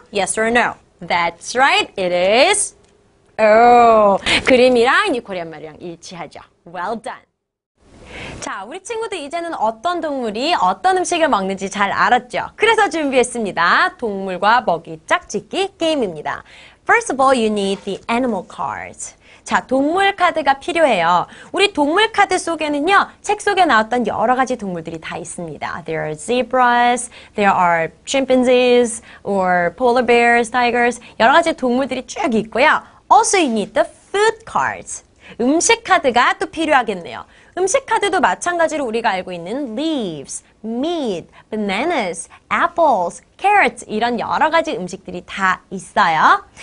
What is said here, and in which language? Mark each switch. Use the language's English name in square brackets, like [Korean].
[English] Yes or no? That's right. It is. [Korean] 오, 그림이랑 니콜이란 말이랑 일치하죠. [English] Well done. [Korean] 자, 우리 친구들 이제는 어떤 동물이 어떤 음식을 먹는지 잘 알았죠? 그래서 준비했습니다. 동물과 먹이 짝짓기 게임입니다. [English] First of all, you need the animal cards. [Korean] 자, 동물 카드가 필요해요. 우리 동물 카드 속에는요, 책 속에 나왔던 여러 가지 동물들이 다 있습니다. [English] There are zebras, there are chimpanzees, or polar bears, tigers. [Korean] 여러 가지 동물들이 쭉 있고요. [English] Also, you need the food cards. [Korean] 음식 카드가 또 필요하겠네요. 음식 카드도 마찬가지로 우리가 알고 있는 leaves, meat, bananas, apples, carrots 이런 여러 가지 음식들이 다 있어요.